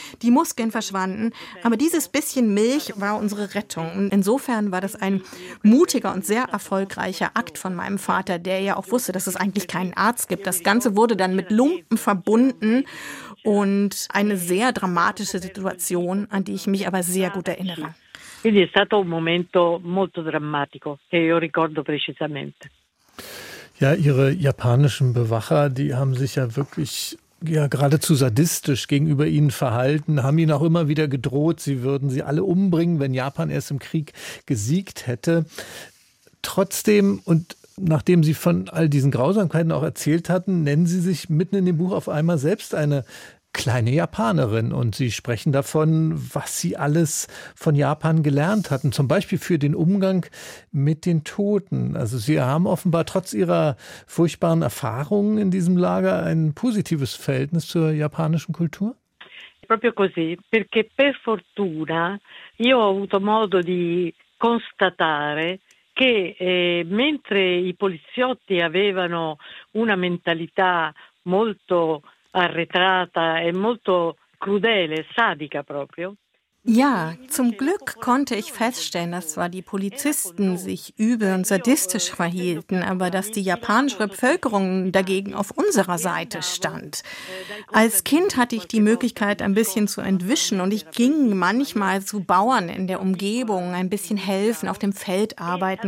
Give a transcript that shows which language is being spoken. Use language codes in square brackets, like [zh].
[de] Die Muskeln verschwanden. Aber dieses bisschen Milch war unsere Rettung. Und insofern war das ein mutiger und sehr erfolgreicher Akt von meinem Vater, der ja auch wusste, dass es eigentlich keinen Arzt gibt. Das Ganze wurde dann mit Lumpen verbunden und eine sehr dramatische Situation, an die ich mich aber sehr gut erinnere. [it] Quindi è stato un momento molto drammatico che io ricordo precisamente. [de] Ja, ihre japanischen Bewacher, die haben sich ja wirklich ja geradezu sadistisch gegenüber ihnen verhalten, haben ihnen auch immer wieder gedroht, sie würden sie alle umbringen, wenn Japan erst im Krieg gesiegt hätte. Trotzdem, und nachdem sie von all diesen Grausamkeiten auch erzählt hatten, nennen sie sich mitten in dem Buch auf einmal selbst eine kleine Japanerin. Und sie sprechen davon, was sie alles von Japan gelernt hatten. Zum Beispiel für den Umgang mit den Toten. Also sie haben offenbar trotz ihrer furchtbaren Erfahrungen in diesem Lager ein positives Verhältnis zur japanischen Kultur? [it] Proprio così. Perché per fortuna io ho avuto modo di constatare che mentre i poliziotti avevano una mentalità molto arretrata e molto crudele, sadica proprio. [de] Ja, zum Glück konnte ich feststellen, dass zwar die Polizisten sich übel und sadistisch verhielten, aber dass die japanische Bevölkerung dagegen auf unserer Seite stand. Als Kind hatte ich die Möglichkeit, ein bisschen zu entwischen und ich ging manchmal zu Bauern in der Umgebung, ein bisschen helfen, auf dem Feld arbeiten.